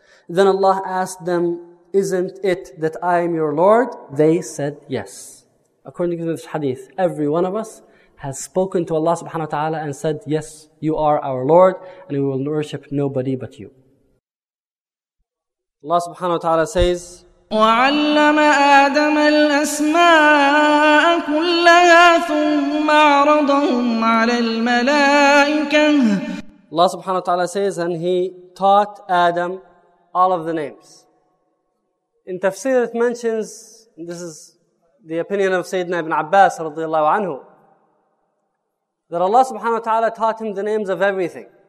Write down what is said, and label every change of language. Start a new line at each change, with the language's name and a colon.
English: Then Allah asked them, isn't it that I am your Lord? They said yes. According to this hadith, every one of us has spoken to Allah subhanahu wa ta'ala and said, yes, you are our Lord and we will worship nobody but you. Allah subhanahu wa ta'ala says,
Arabic: وعلم آدم الأسماء كلها ثم عرضهم على الملائكة.
English: Allah subhanahu wa ta'ala says, and he taught Adam all of the names. In tafsir it mentions, this is the opinion of Sayyidina Ibn Abbas radiallahu anhu, that Allah subhanahu wa ta'ala taught him the names of everything.